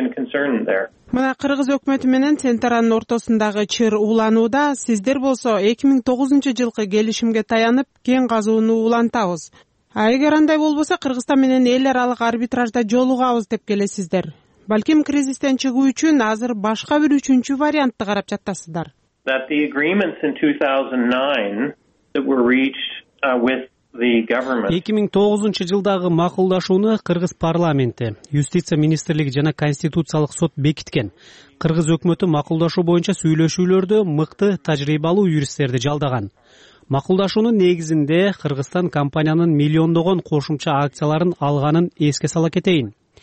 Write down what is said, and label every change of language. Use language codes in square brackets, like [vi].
[ky] Мына кыргыз өкмөтү менен Центерранын ортосундагы чыр уланууда, сиздер болсо 2009-жылкы келишимге таянып, кең казууну улантабыз. Эгер андай болбосо, Кыргызстан менен эл аралык арбитражда жолугабыз деп келесиздер. Балким кризистен чыгуу үчүн азыр башка бир үчүнчү вариантты карап жатасыздар. [en] That the agreements in 2009 that were reached with the government. [ky] 2009-жылдагы макулдашууну кыргыз парламенти, юстиция министрлиги жана конституциялык сот бекиткен. Кыргыз өкмөтү макулдашуу боюнча сүйлөшүүлөрдө мыкты тажрыйбалуу юристтерди жалдаган. Макулдашуунун негизинде Кыргызстан компаниянын миллиондогон кошумча акцияларын алганын эске сала кетейин.